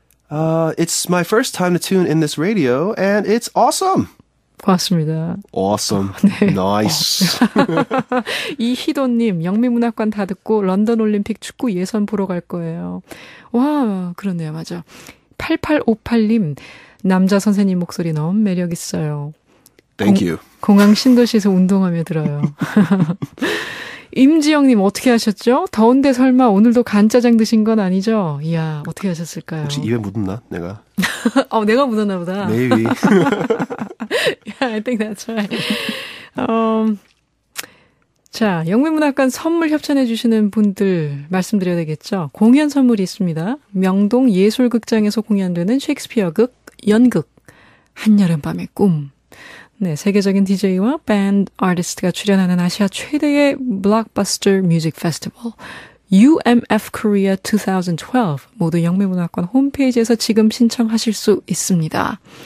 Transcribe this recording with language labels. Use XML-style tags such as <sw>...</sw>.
<en>It's my first time to tune in this radio and it's awesome.</en> <ko>고맙습니다.</ko> <en>Awesome. 네. Nice.</en> <ko>이희도님, 영미문학관 다 듣고 런던 올림픽 축구 예선 보러 갈 거예요. 와, 그렇네요. 맞아. 8858님, 남자 선생님 목소리 너무 매력 있어요.</ko> <en>Thank you.</en> <ko>공항 신도시에서 운동하며 들어요. 임지영님, 어떻게 하셨죠? 더운데 설마 오늘도 간짜장 드신 건 아니죠? 이야, 어떻게 하셨을까요? 혹시 입에 묻었나, 내가? 내가 묻었나 보다.</ko> <en>Maybe. Yeah, I think that's right.</en> <ko>자, 영미문학관 선물 협찬해 주시는 분들 말씀드려야 되겠죠. 공연 선물이 있습니다. 명동 예술극장에서 공연되는 셰익스피어 극, 연극, 한여름밤의 꿈. 네, 세계적인 DJ와 밴드 아티스트가 출연하는 아시아 최대의 블록버스터 뮤직 페스티벌 UMF Korea 2012 모두 영미문학관 홈페이지에서 지금 신청하실 수 있습니다.</ko>